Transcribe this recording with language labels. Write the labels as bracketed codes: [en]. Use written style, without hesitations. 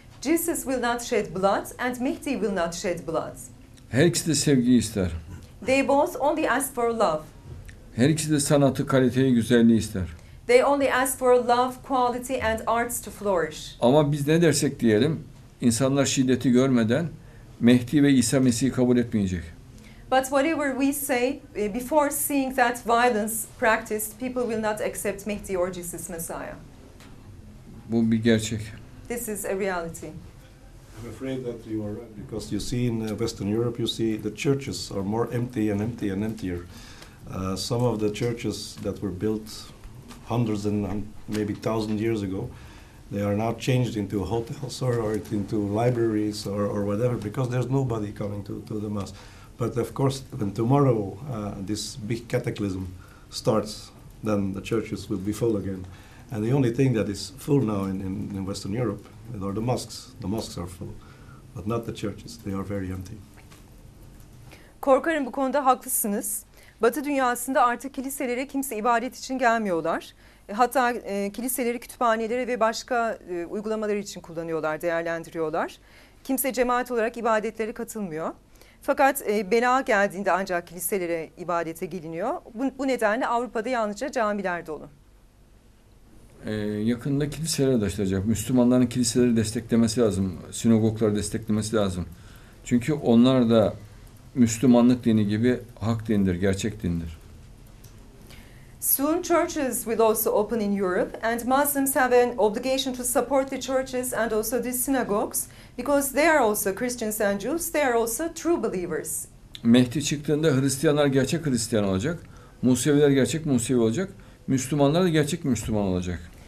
[en] Jesus will not shed blood and Mehdi will not shed blood. [tr] Her ikisi de sevgi ister. [en] They both only ask for love. [tr] Her ikisi de sanatı, kaliteyi, güzelliği ister. [en] They only ask for love, quality and arts to flourish. [tr] Ama biz ne dersek diyelim, insanlar şiddeti görmeden Mehdi ve İsa Mesih'i kabul etmeyecek. [en] But whatever we say, before seeing that violence practiced, people will not accept Mehdi or Jesus Messiah. [tr] Bu bir gerçek. [en] This is a reality. I'm afraid that you are right, because you see in Western Europe, you see the churches are more empty and empty and emptier. Some of the churches that were built hundreds and maybe 1,000 years ago, they are now changed into hotels or into libraries or whatever, because there's nobody coming to the mass. But of course, when tomorrow this big cataclysm starts, then the churches will be full again. And the only thing that is full now in Western Europe are the mosques. The mosques are full, but not the churches. They are very empty. [tr] Korkarım bu konuda haklısınız. Batı dünyasında artık kiliselere kimse ibadet için gelmiyorlar. Hatta kiliseleri, kütüphaneleri ve başka uygulamalar için kullanıyorlar, değerlendiriyorlar. Kimse cemaat olarak ibadetlere katılmıyor. Fakat bela geldiğinde ancak kiliselere ibadete geliniyor. Bu nedenle Avrupa'da yalnızca camiler dolu. Yakında kiliseler de açılacak. Müslümanların kiliseleri desteklemesi lazım. Sinagogları desteklemesi lazım. Çünkü onlar da Müslümanlık dini gibi hak dindir, gerçek dindir. [en] Soon churches will also open in Europe and Muslims have an obligation to support the churches and also the synagogues because they are also Christians and Jews, they are also true believers. [tr] Mehdi çıktığında Hristiyanlar gerçek Hristiyan olacak, Museviler gerçek Musevi olacak, Müslümanlar da gerçek Müslüman olacak.